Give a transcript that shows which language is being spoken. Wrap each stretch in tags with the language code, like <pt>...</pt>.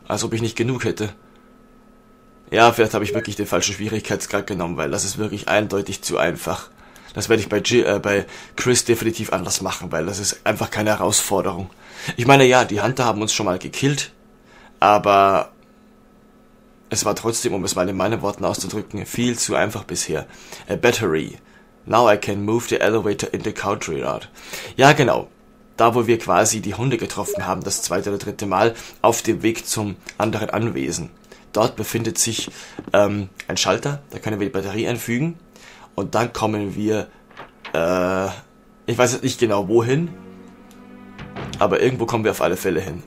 <de>Als ob ich nicht genug hätte. Ja, vielleicht habe ich wirklich den falschen Schwierigkeitsgrad genommen, weil das ist wirklich eindeutig zu einfach. Das werde ich bei Chris definitiv anders machen, weil das ist einfach keine Herausforderung. Ich meine, ja, die Hunter haben uns schon mal gekillt, aber es war trotzdem, um es mal in meinen Worten auszudrücken, viel zu einfach bisher.</de> <en>A battery. Now I can move the elevator in the country yard.</en> <de>Ja, genau. Da, wo wir quasi die Hunde getroffen haben, das zweite oder dritte Mal, auf dem Weg zum anderen Anwesen. Dort befindet sich ein Schalter, da können wir die Batterie einfügen. Und dann kommen wir, ich weiß jetzt nicht genau wohin, aber irgendwo kommen wir auf alle Fälle hin.</de>